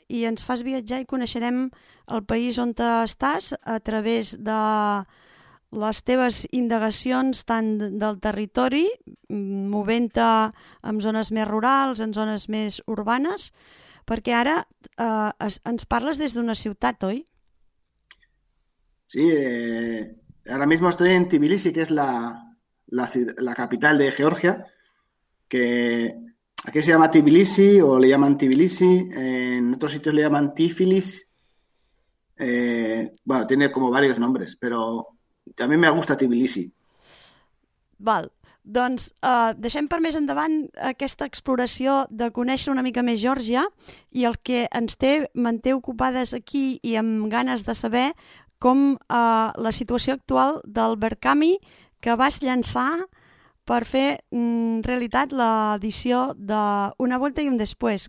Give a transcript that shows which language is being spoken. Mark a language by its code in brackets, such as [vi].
[ca] I ens fas viatjar i coneixerem el país on estàs a través de les teves indagacions tant del territori, movent-te en zones més rurals, en zones més urbanes, perquè ara ens parles des d'una ciutat, oi? [es] Sí, ahora mismo estoy en Tbilisi, que es la capital de Georgia, que aquí se llama Tbilisi o le llaman Tbilisi, en otros sitios le llaman Tiflis, bueno, tiene como varios nombres, [ca] pero també m'agrada Tbilisi. Val. Doncs deixem per més endavant aquesta exploració de conèixer una mica més Geòrgia i el que ens té, manté ocupades aquí i amb ganes de saber com la situació actual del Verkami que vas llançar per fer realitat l'edició d'Una Volta i un Després.